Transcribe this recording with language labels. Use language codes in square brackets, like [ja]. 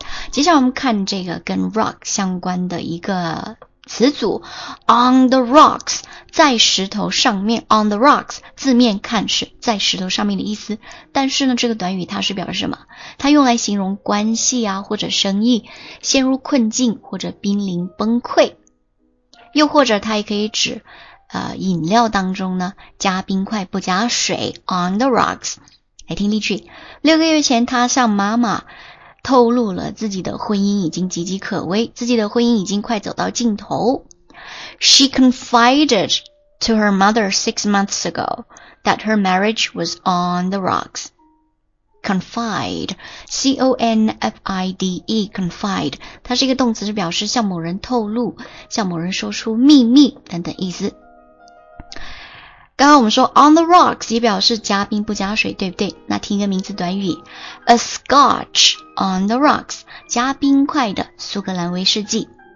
[zh] 接下来我们看这个跟 rock 相关的一个词组 [en] on the rocks [zh] 在石头上面 on the rocks 字面看是在石头上面的意思，但是呢这个短语它是表示什么，它用来形容关系啊或者生意陷入困境或者濒临崩溃，又或者它也可以指饮料当中呢加冰块不加水 on the rocks。来听例句，六个月前他向妈妈透露了自己的婚姻已经岌岌可危，自己的婚姻已经快走到尽头。 [en] She confided to her mother 6 months ago that her marriage was on the rocks. Confide, C-O-N-F-I-D-E, confide. [zh] 它是一个动词，是表示向某人透露，向某人说出秘密等等意思。刚刚我们说 [en] on the rocks [zh] 也表示加冰不加水，对不对？那听一个名词短语 [en] a scotch on the rocks [zh] 加冰块的苏格兰威士忌。